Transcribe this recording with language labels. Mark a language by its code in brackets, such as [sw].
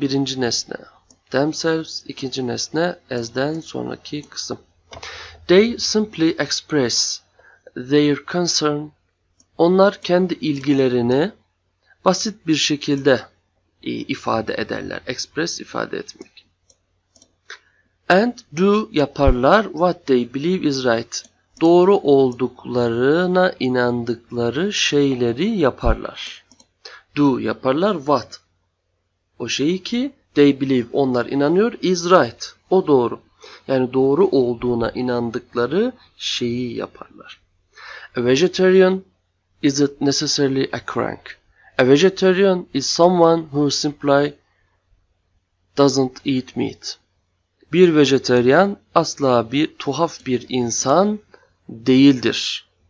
[tr] Birinci nesne themselves, ikinci nesne as'den sonraki kısım. [en] They simply express their concern. [tr] Onlar kendi ilgilerini basit bir şekilde ifade ederler. Express ifade etmek. [en] And do [tr] yaparlar [en] what they believe is right. [tr] Doğru olduklarına inandıkları şeyleri yaparlar. [en] Do [tr] yaparlar [en] what? [tr] O şeyi ki [en] they believe, [tr] onlar inanıyor, [en] is right, [tr] o doğru. Yani doğru olduğuna inandıkları şeyi yaparlar. [en] A vegetarian is it necessarily a crank? A vegetarian is someone who simply doesn't eat meat. [tr] Bir vejeteryan asla bir tuhaf bir insan değildir.